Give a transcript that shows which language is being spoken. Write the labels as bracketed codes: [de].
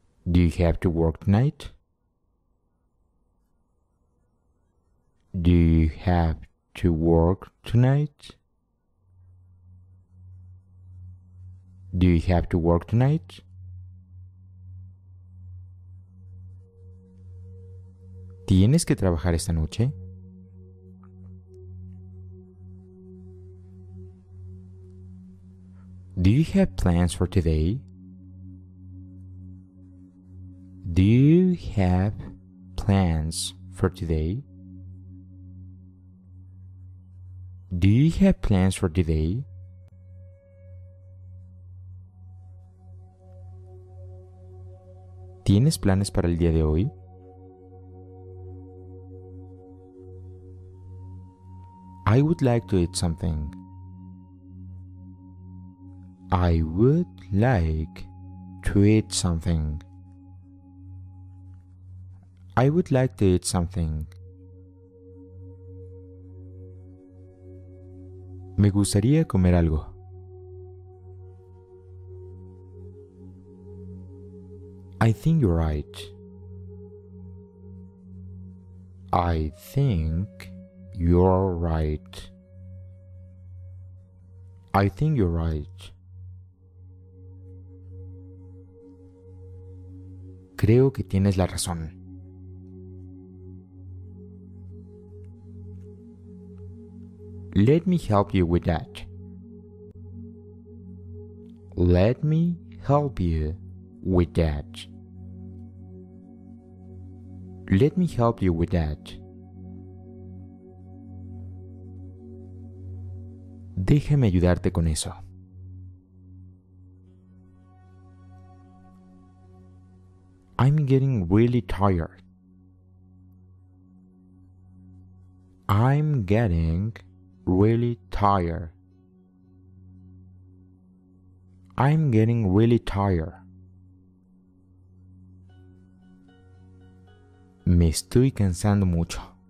[en] Do you have to work tonight? Do you have to work tonight? Do you have to work tonight? [es] ¿Tienes que trabajar esta noche? [en] Do you have plans for today? Do you have plans for today? Do you have plans for today? [es] ¿Tienes planes para el día de hoy? [en] I would like to eat something. I would like to eat something. I would like to eat something. [es] Me gustaría comer algo. [en] I think you're right. I think you're right. I think you're right. [es] Creo que tienes la razón. [en] Let me help you with that. Let me help you with that. Let me help you with that. [es] Déjame ayudarte con eso. [en] I'm getting really tired. I'm getting really tired. I'm getting really tired. [es] Me estoy cansando mucho.